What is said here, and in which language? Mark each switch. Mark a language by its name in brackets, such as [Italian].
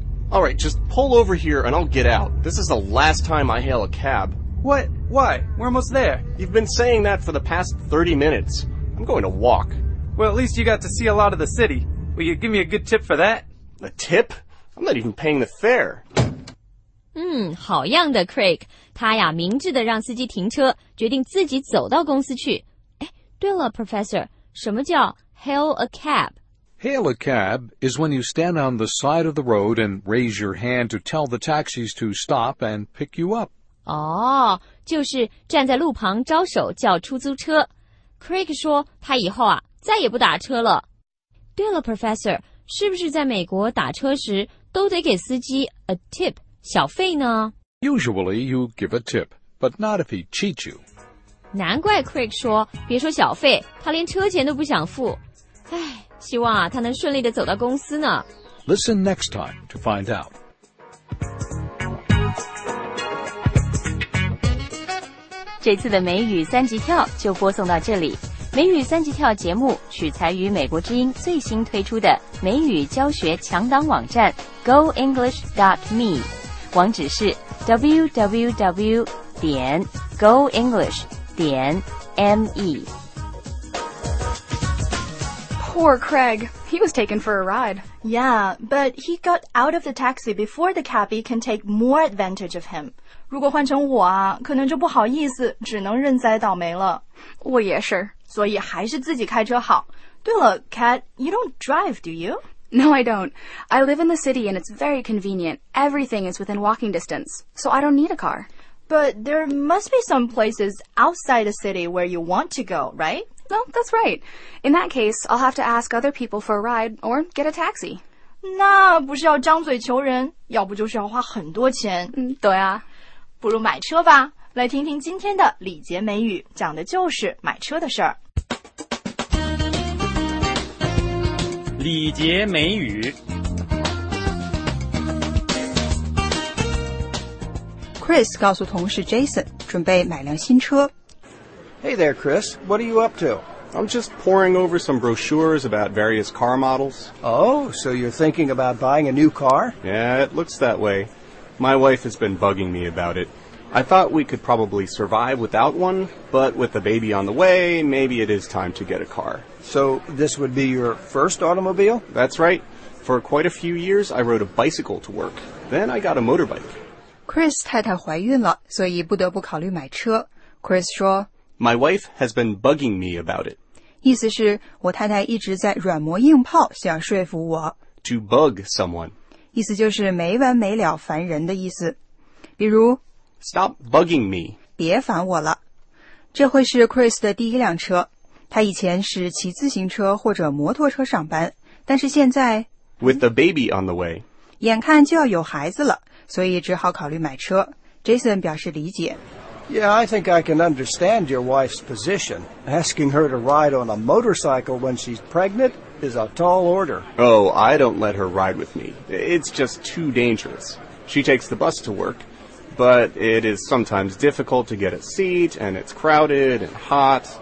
[English] All right, just pull over here and I'll get out. This is the last time I hail a cab. What? Why? We're almost there. You've been saying that for the past 30 minutes. I'm going to walk. Well, at least you got to see a lot of the city. Will you give me a good tip for that? A tip? I'm not even paying the fare. [Chinese] 好样的 Craig, 他呀明智地让司机停车，决定自己走到公司去。哎，对了 Professor, 什么叫 hail a cab? [English] Hail a cab is when you stand on the side of the road and raise your hand to tell the taxis to stop and pick you up. [Chinese] 哦，就是站在路旁招手叫出租车。Craig 说他以后啊再也不打车了。对了 ,Professor, 是不是在美国打车时都得给司机 a tip, 小费呢 [English] ?Usually you give a tip, but not if he cheats you. [Chinese] 难怪 Craig 说别说小费他连车钱都不想付。唉希望啊他能顺利地走到公司呢。 [English] Listen next time to find out. [Chinese] 这次的美语三级跳就播送到这里。美语三级跳节目取材于美国之音最新推出的美语教学强档网站 goenglish.me， 网址是 www.goenglish.me。 [English] Poor Craig. He was taken for a ride. Yeah, but he got out of the taxi before the cabbie can take more advantage of him. [Chinese] 如果换成我啊，可能就不好意思，只能认栽倒霉了。我也是。所以还是自己开车好。对了 ,Kat, [English] you don't drive, do you? No, I don't. I live in the city and it's very convenient. Everything is within walking distance, so I don't need a car. But there must be some places outside the city where you want to go, right? Well, that's right. In that case, I'll have to ask other people for a ride or get a taxi. [Chinese] 那不是要张嘴求人，要不就是要花很多钱。对啊，不如买车吧。来听听今天的礼节美语，讲的就是买车的事儿。礼节美语。 Chris 告诉同事 Jason， 准备买辆新车。 [English] Hey there, Chris. What are you up to? I'm just poring over some brochures about various car models. Oh, so you're thinking about buying a new car? Yeah, it looks that way. My wife has been bugging me about it. I thought we could probably survive without one, but with a baby on the way, maybe it is time to get a car. So this would be your first automobile? That's right. For quite a few years, I rode a bicycle to work. Then I got a motorbike. [Chinese] Chris 太太怀孕了，所以不得不考虑买车。Chris 说 [English] My wife has been bugging me about it. [Chinese] 意思是我太太一直在软磨硬泡想说服我。 [English] To bug someone. [Chinese] 意思就是没完没了烦人的意思。比如 [English] Stop bugging me. [Chinese] 别烦我了。这会是 Chris 的第一辆车。他以前是骑自行车或者摩托车上班。但是现在 [English] With a baby on the way. [Chinese] 眼看就要有孩子了所以只好考虑买车。 Jason 表示理解。 [English] Yeah, I think I can understand your wife's position. Asking her to ride on a motorcycle when she's pregnant is a tall order. Oh, I don't let her ride with me. It's just too dangerous. She takes the bus to work, but it is sometimes difficult to get a seat, and it's crowded and hot.